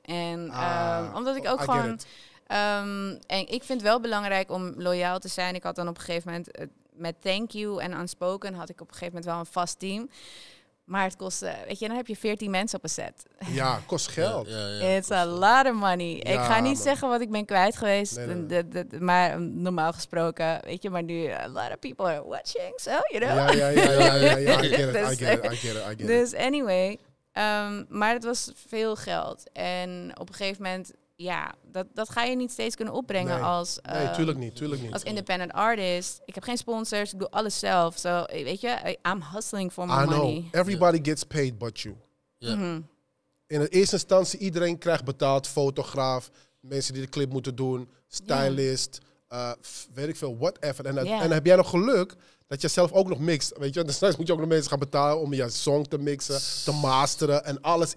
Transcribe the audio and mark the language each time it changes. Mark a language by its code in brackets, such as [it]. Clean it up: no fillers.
[nl] En omdat ik ook gewoon... en ik vind het wel belangrijk om loyaal te zijn. Ik had dan op een gegeven moment... met Thank You en Unspoken had ik op een gegeven moment wel een vast team. Maar het kostte... Weet je, dan heb je 14 mensen op een set. Ja, kost geld. [en] It's a lot of money. [nl] Ja, ik ga niet zeggen wat ik ben kwijt geweest. Nee. Maar normaal gesproken, weet je, maar nu... [en] A lot of people are watching, so, you know? Ja, I get it. [nl] Dus anyway. Maar het was veel geld. En op een gegeven moment... Ja, dat ga je niet steeds kunnen opbrengen als... Nee, tuurlijk niet. Als independent artist. Ik heb geen sponsors, ik doe alles zelf. [en] So, weet je, I'm hustling for my money. Everybody gets paid but you. Yeah. Mm-hmm. [nl] In de eerste instantie, iedereen krijgt betaald. Fotograaf, mensen die de clip moeten doen, stylist, weet ik veel, whatever. En heb jij nog geluk dat je zelf ook nog mixt. Weet je, dus moet je ook nog mensen gaan betalen om je song te mixen, te masteren en alles.